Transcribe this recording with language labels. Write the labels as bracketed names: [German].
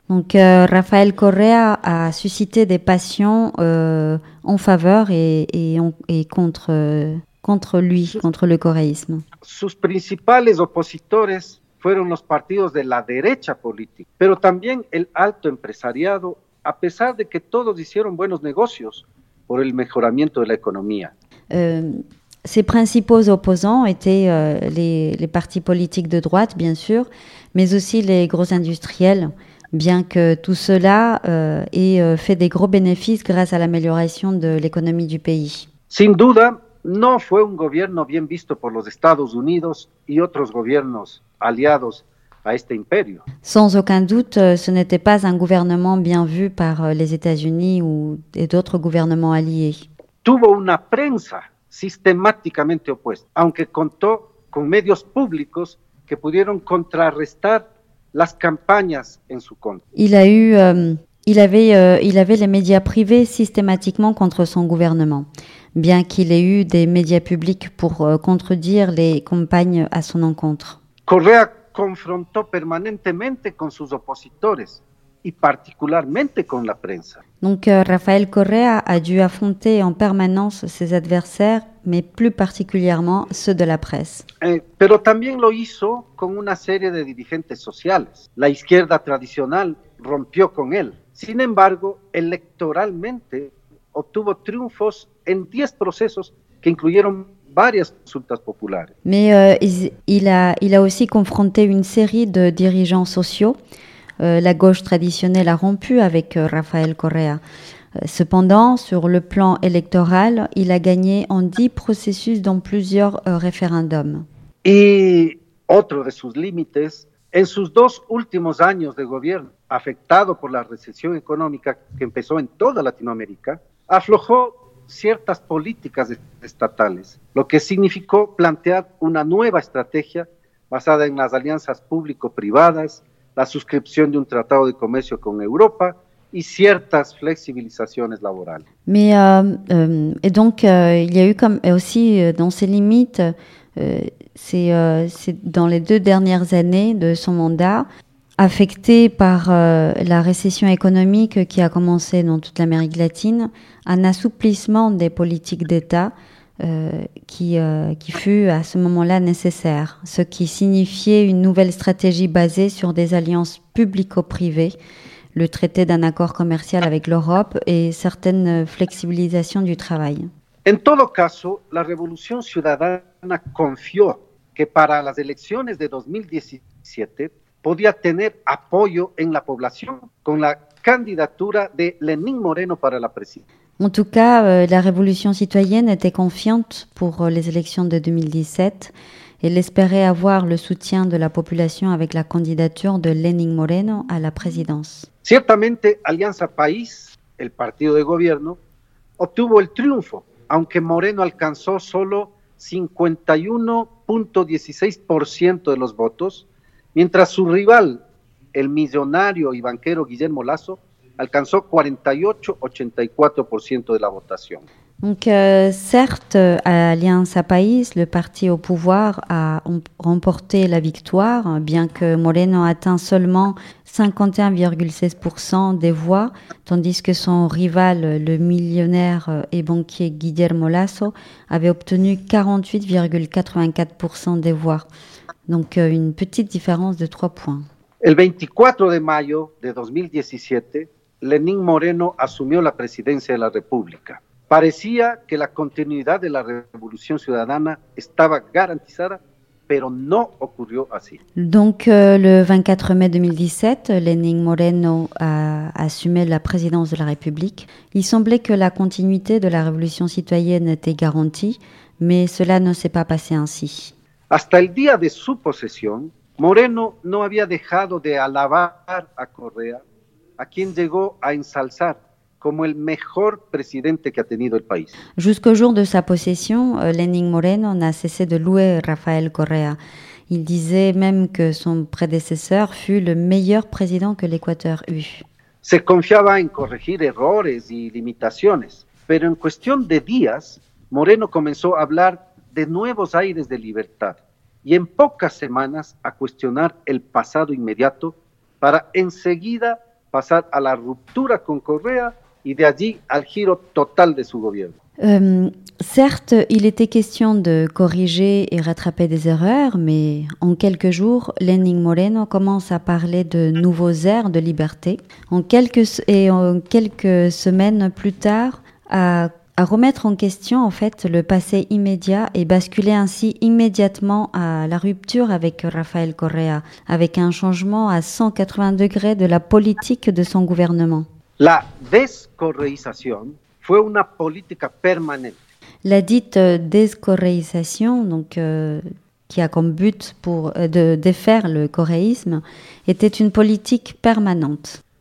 [French] Donc Rafael Correa a suscité des passions en faveur et contre lui, contre le correísmo. [Spanish] Sus principales opositores fueron los partidos de la derecha política, pero también el alto empresariado, a pesar de que todos hicieron buenos negocios por el mejoramiento de la economía. [French] Ses principaux opposants étaient les partis politiques de droite, bien sûr, mais aussi les gros industriels, bien que tout cela ait fait des gros bénéfices grâce à l'amélioration de l'économie du pays. [Spanish] Sin duda, no fue un gobierno bien visto por los Estados Unidos y otros gobiernos aliados a este imperio. [French] Sans aucun doute, ce n'était pas un gouvernement bien vu par les États-Unis ou d'autres gouvernements alliés. [Spanish] Tuvo una prensa sistemáticamente opuesta, aunque contó con medios públicos que pudieron contrarrestar las campañas en su contra. [French] Il avait les médias privés systématiquement contre son gouvernement, bien qu'il ait eu des médias publics pour contredire les campagnes à son encontre. [Spanish] Correa confrontó permanentemente con sus opositores y particularmente con la prensa. [French] Donc Rafael Correa a dû affronter en permanence ses adversaires, mais plus particulièrement ceux de la presse. [Spanish] Pero también lo hizo con una serie de dirigentes sociales. La izquierda tradicional rompió con él. Sin embargo, electoralmente obtuvo triunfos en 10 procesos que incluyeron varias consultas populares. [French] Mais il a aussi confronté une série de dirigeants sociaux. La gauche traditionnelle a rompu avec Rafael Correa. Cependant, sur le plan électoral, il a gagné en 10 processus dont plusieurs référendums. Et autre [Spanish] de sus límites, en sus dos últimos años de gobierno, afectado por la recesión económica que empezó en toda Latinoamérica, aflojó ciertas políticas estatales, lo que significó plantear una nueva estrategia basada en las alianzas público-privadas, la suscripción de un tratado de comercio con Europa y ciertas flexibilizaciones laborales. [French] Mais, et donc, il y a eu comme, aussi dans ses limites, c'est dans les deux dernières années de son mandat, affecté par la récession économique qui a commencé dans toute l'Amérique latine, un assouplissement des politiques d'État qui fut à ce moment-là nécessaire, ce qui signifiait une nouvelle stratégie basée sur des alliances publico-privées, le traité d'un accord commercial avec l'Europe et certaines flexibilisations du travail. [Spanish] En todo caso, la Revolución Ciudadana confió que para las elecciones de 2017 podía tener apoyo en la población con la candidatura de Lenín Moreno para la presidencia. [French] En tout cas, la Révolution citoyenne était confiante pour les élections de 2017. Elle espérait avoir le soutien de la population avec la candidature de Lenín Moreno à la présidence. [Spanish] Ciertamente, Alianza País, el partido de gobierno, obtuvo el triunfo, aunque Moreno alcanzó solo 51.16% de los votos, mientras su rival, el millonario y banquero Guillermo Lasso, alcanzó 48.84% de la votación. [French] Donc, certes, Alianza País, le parti au pouvoir, a remporté la victoire, bien que Moreno atteint seulement 51,16% des voix, tandis que son rival, le millionnaire et banquier Guillermo Lasso, avait obtenu 48,84% des voix. Donc, une petite différence de 3 points. [Spanish] El 24 de mayo de 2017, Lenín Moreno asumió la presidencia de la República. Parecía que la continuidad de la Revolución Ciudadana estaba garantizada pero no ocurrió así. [French] Donc, le 24 mai 2017, Lénine Moreno a assumé la présidence de la République. Il semblait que la continuité de la révolution citoyenne était garantie, mais cela ne s'est pas passé ainsi. [Spanish] Hasta el día de su posesión, Moreno no había dejado de alabar a Correa, a quien llegó a ensalzar como el mejor presidente que ha tenido el país. [French] Jusqu'au jour de sa possession, Lénine Moreno n'a cessé de louer Rafael Correa. Il disait même que son prédécesseur fut le meilleur président que l'Équateur eut. [Spanish] Se confiaba en corregir errores y limitaciones, pero en cuestión de días, Moreno comenzó a hablar de nuevos aires de libertad y en pocas semanas a cuestionar el pasado inmediato para enseguida pasar a la ruptura con Correa y de allí al giro total de su gobierno. [French] Certes, il était question de corriger et rattraper des erreurs, mais en quelques jours, Lénine Moreno commence à parler de nouveaux airs de liberté. En quelques semaines plus tard, à remettre en question en fait le passé immédiat et basculer ainsi immédiatement à la rupture avec Rafael Correa, avec un changement à 180 degrés de la politique de son gouvernement. [Spanish] La descorreización fue una política permanente. [French] La dite descorreización, qui a comme but de défaire le correísmo, était une politique permanente.